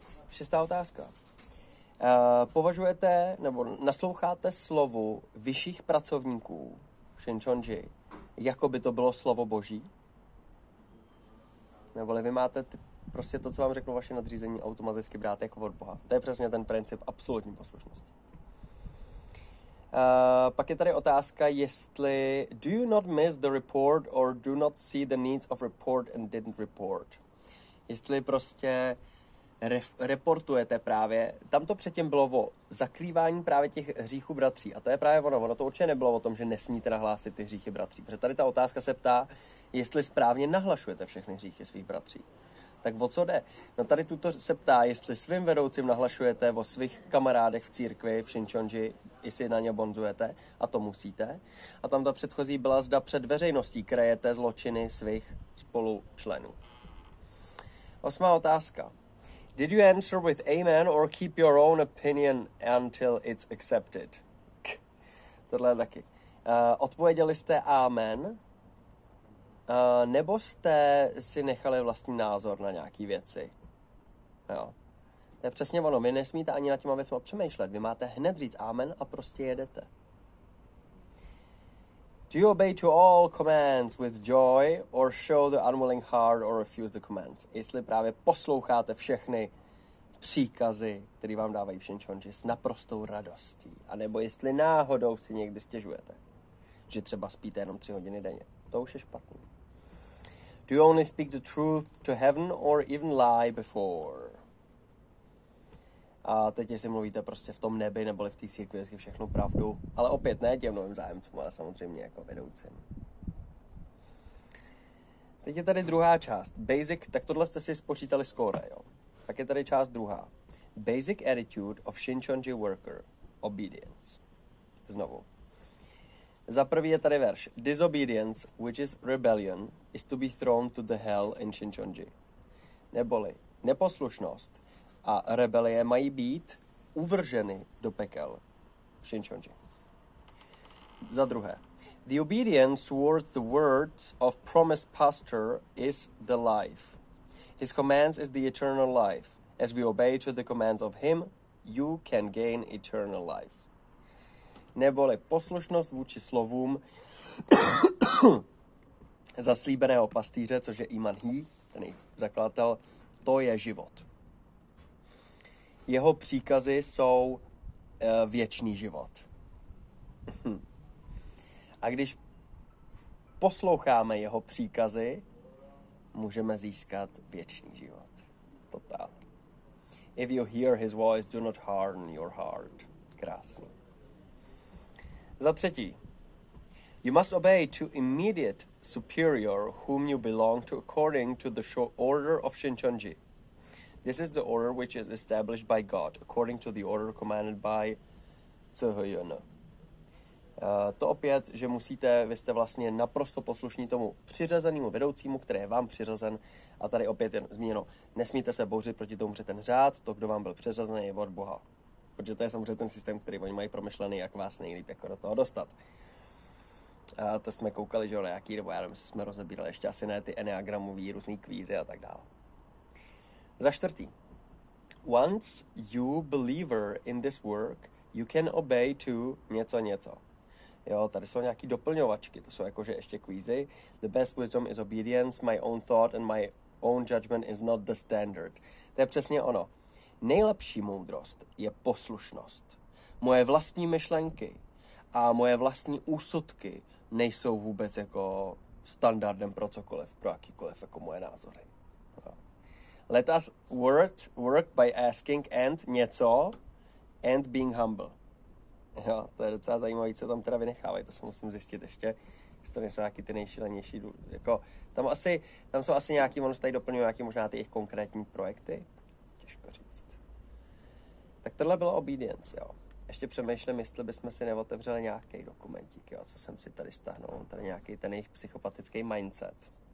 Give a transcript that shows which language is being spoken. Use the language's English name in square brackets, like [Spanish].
[Czech] Šestá otázka. Považujete, nebo nasloucháte slovu vyšších pracovníků v Šinčonji, jako by to bylo slovo boží? Neboli vy máte prostě to, co vám řeknou vaše nadřízení, automaticky brát jako od Boha. To je přesně ten princip absolutní poslušnosti. Pak je tady otázka, jestli [English] do you not miss the report or do not see the needs of report and didn't report. [Czech] Jestli prostě reportujete právě, tam to předtím bylo o zakrývání právě těch hříchů bratří. A to je právě ono, ono to určitě nebylo o tom, že nesmíte nahlásit ty hříchy bratří. Protože tady ta otázka se ptá, jestli správně nahlašujete všechny hříchy svých bratří. Tak o co jde? No tady tuto se ptá, jestli svým vedoucím nahlašujete o svých kamarádech v církvi, v Šinčonji, jestli na ně bonzujete a to musíte. A tam ta předchozí byla, zda před veřejností krajete zločiny svých spolučlenů. Osmá otázka. [English] Did you answer with amen or keep your own opinion until it's accepted? [Czech] Tohle je taky. Odpověděli jste amen? Nebo jste si nechali vlastní názor na nějaký věci? Jo. To je přesně ono. Vy nesmíte ani na těma věcma přemýšlet. Vy máte hned říct amen a prostě jedete. [English] Do you obey to all commands with joy or show the unwilling heart or refuse the commands? [Czech] Jestli právě posloucháte všechny příkazy, které vám dávají všenčonči s naprostou radostí. A nebo jestli náhodou si někdy stěžujete, že třeba spíte jenom 3 hodiny denně. To už je špatný. [English] Do you only speak the truth to heaven or even lie before? [Czech] A teď, jestli mluvíte prostě v tom nebi, neboli v té církvi, je všechno pravdu. Ale opět ne těm novým zájemcům, ale samozřejmě jako vedoucím. Teď je tady druhá část. Basic, tak tohle jste si spočítali skóre, jo. Tak je tady část druhá. [English] Basic attitude of Shincheonji worker. Obedience. [Czech] Znovu. Za prvý je tady verš. [English] Disobedience, which is rebellion, is to be thrown to the hell in Shincheonji. [Czech] Neboli neposlušnost a rebelie mají být uvrženy do pekel v Shincheonji. Za druhé. [English] The obedience towards the words of promised pastor is the life. His commands is the eternal life. As we obey to the commands of him, you can gain eternal life. [Czech] Neboli poslušnost vůči slovům zaslíbeného pastýře, což je Iman He, ten jejich zakladatel, to je život. Jeho příkazy jsou věčný život. A když posloucháme jeho příkazy, můžeme získat věčný život. [English] Total. If you hear his voice, do not harden your heart. [Czech] Krásný. Za třetí. [English] You must obey to immediate superior whom you belong to according to the order of Shincheonji. This is the order which is established by God according to the order commanded by Tsehyun. [Czech] To opět, že musíte, vy jste vlastně naprosto poslušní tomu přiřazenému vedoucímu, který je vám přiřazen. A tady opět je zmíněno, nesmíte se bouřit proti tomu, že ten řád, to, kdo vám byl přiřazený, je od Boha. Protože to je samozřejmě ten systém, který oni mají promyšlený, jak vás nejlíp jako do toho dostat. A to jsme koukali, že jo, nějaký, nebo já nevím, jsme rozebírali ještě asi ne, ty enneagramový různý kvízy a tak dále. Za čtvrtý. [English] Once you believer in this work, you can obey to [Czech] něco něco. Jo, tady jsou nějaký doplňovačky, to jsou jakože ještě kvízy. [English] The best wisdom is obedience, my own thought and my own judgment is not the standard. [Czech] To je přesně ono. Nejlepší moudrost je poslušnost. Moje vlastní myšlenky a moje vlastní úsudky nejsou vůbec jako standardem pro cokoliv, pro jakýkoliv jako moje názory. [English] Let us work by asking and [Czech] něco [English] and being humble. [Czech] Jo, to je docela zajímavé, co tam teda vynechávají, to se musím zjistit ještě, jestli to nejsou nějaký ty nejšilenější, jako, tam jsou asi nějaký, ono se tady doplňují nějaký možná ty jejich konkrétní projekty, těžko říct. Tak tohle bylo obedience, jo. Ještě přemýšlím, jestli bychom si neotevřeli nějaký dokumentík, jo, co jsem si tady stáhnul, tady nějaký ten jejich psychopatický mindset.